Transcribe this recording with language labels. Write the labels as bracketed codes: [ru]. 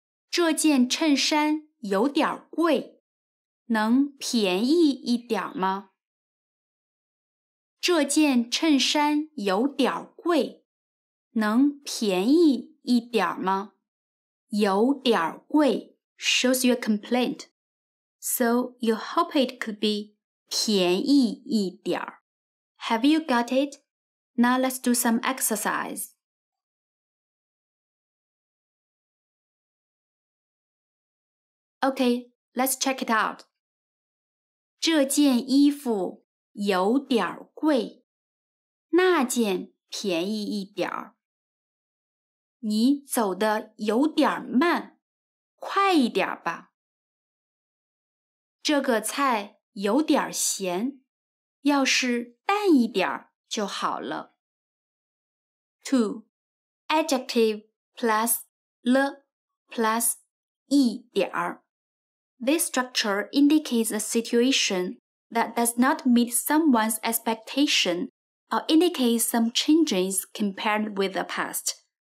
[zh] 这件衬衫有点贵，能便宜一点吗？这件衬衫有点贵，能便宜一点吗？有点贵 [en] shows you a complaint. So you hope it could be [zh] 便宜一点。 [en] Have you got it? Now let's do some exercise. Okay, let's check it out. [zh] 这件衣服有点贵，那件便宜一点。你走得有点慢，快一点吧。这个菜有点咸，要是淡一点就好了。 2. [en] Adjective plus 了 plus 一点儿。 This structure indicates a situation that does not meet someone's expectation or indicates some changes compared with the past.